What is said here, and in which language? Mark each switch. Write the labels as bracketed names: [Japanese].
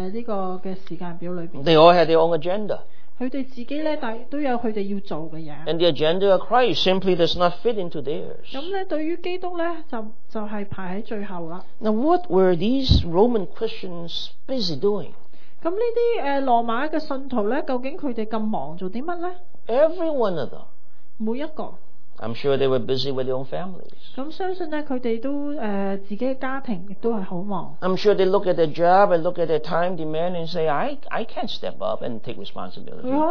[Chinese] 耶穌基督就入不到他們的時間表裡面。 [English] They all had their own agenda. [Chinese] 他們自己都有他們要做的事。 [English] And the agenda of Christ simply does not fit into theirs. [Chinese] 對於基督就排在最後了。 [English] Now what were these Roman Christians busy doing? [Chinese] 這些羅馬的信徒究竟他們這麼忙做什麼呢? [English] Every one of them. [Chinese] 每一個。 [English] I'm sure they were busy with their own families. [Chinese] 相信他們自己的家庭也很忙。 [English] I'm sure they look at their job and look at their time demand and say, I can't step up and take responsibility.